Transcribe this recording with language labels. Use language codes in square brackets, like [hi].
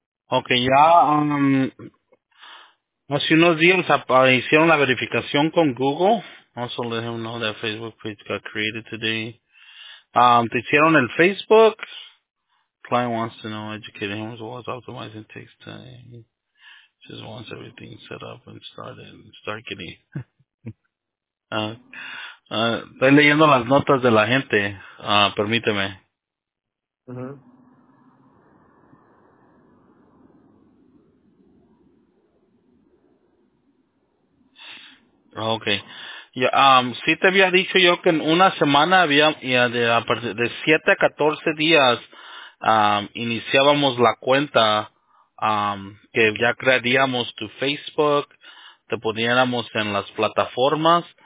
[es] Okay, ya hace unos días hicieron la verificación con Google. [en] Also let him know that Facebook page got created today. [es] Te hicieron el Facebook. [en] Client wants to know educating him as well as optimizing takes time. Just wants everything set up and started and start getting. [es] estoy leyendo las notas de la gente. Permíteme. Uh-huh. Okay. Yeah, sí te había dicho yo que en una semana había, de 7 a 14 días iniciábamos la cuenta, que ya crearíamos tu Facebook, te poniéramos en las plataformas.